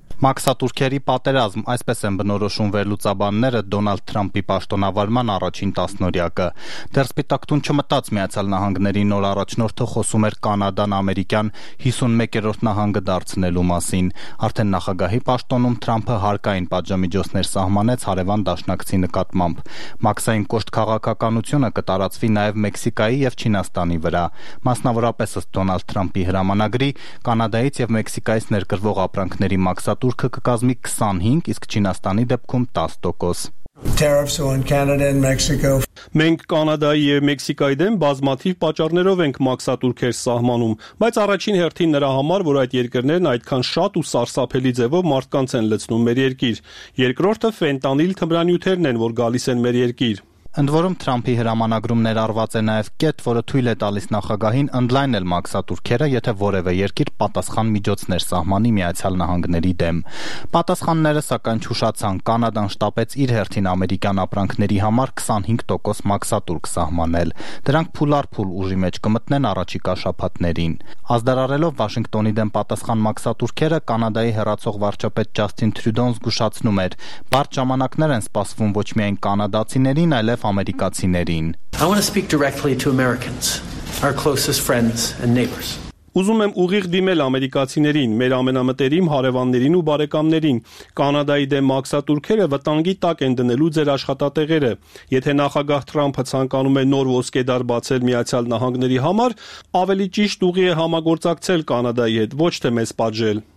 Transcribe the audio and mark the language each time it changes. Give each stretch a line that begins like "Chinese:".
Armenian: Մաքսատուրքերի պատերազմ, այսպես են բնորոշում վերլուծաբանները Դոնալդ Թրամփի պաշտոնավարման առաջին տասնօրյակը։ Դեռ Սպիտակտուն չմտած Միացյալ Նահանգների նոր առաջնորդը խոսում էր Կանադան ամերիկյան 51-րդ նահանգը դարձնելու մասին։ Արդեն նախագահի պաշտոնում Թրամփը հարկային պատժամիջոցներ սահմանեց հարևան դաշնակցի նկատմամբ։ Մաքսային կոշտ քաղաքականությունը կտարածվի նաև Մեքսիկայի և Չինաստանի վրա, մասնավորապես ըստ Դոնալդ Թրամփի հրամանագրի, Կանադայից և Մեքսիկայից ներգրվող ապրանքների մաքսատուրքը կկազմի 25%, իսկ Չինաստանի դեպքում 10%։
English: Tariffs on Canada and Mexico.
Armenian: Մենք Կանադայի եւ Մեքսիկայի դեմ բազմաթիվ պատճառներով ենք մաքսատուրքեր սահմանում, բայց առաջին հերթին նրա համար, որ այդ երկրներն այդքան շատ ու սարսափելի ձևով մարդկանց են լցնում մեր երկիր, երկրորդը ֆենտանիլ թմրանյութերն են, որ գալիս են մեր երկիր։ Ընդ որում Թրամփի հրամանագրում ներառված է նաև կետ, որը թույլ է տալիս նախագահին ընդլայնել մաքսատուրքերը, եթե որևէ երկիր պատասխան միջոցներ սահմանի Միացյալ Նահանգների դեմ։ Պատասխանները, սակայն, չուշացան, Կանադան շտապեց իր հերթին ամերիկյան ապրանքների համար 25% մաքսատուրք սահմանել։ Դրանք փուլարփուլ ուժի մեջ կմտնեն առաջիկա շաբաթներին։ Ազդարարելով Վաշինգտոնի դեմ պատասխան մաքսատուրքերը, Կանադայի հեռացող վարչապետ Ջասթին Թրյուդոն զգուշացնում էր. «Բարդ ժամանակներ են սպասվում ոչ միայն կանադացիներին, Ամերիկացիներին.
English: I want to speak directly to Americans, our closest friends and neighbors.
Armenian: Ուզում եմ ուղիղ դիմել ամերիկացիներին, մեր ամենամտերիմ հարևաններին ու բարեկամներին։ Կանադայի դեմ մաքսատուրքերը վտանգի տակ են դնելու ձեր աշխատատեղերը։ Եթե նախագահ Թրամփը ցանկանում է նոր ոսկեդար բացել Միացյալ Նահանգների համար, ավելի ճիշտ ուղի է համագործակցել Կանադայի հետ, ոչ թե մեզ պատժել։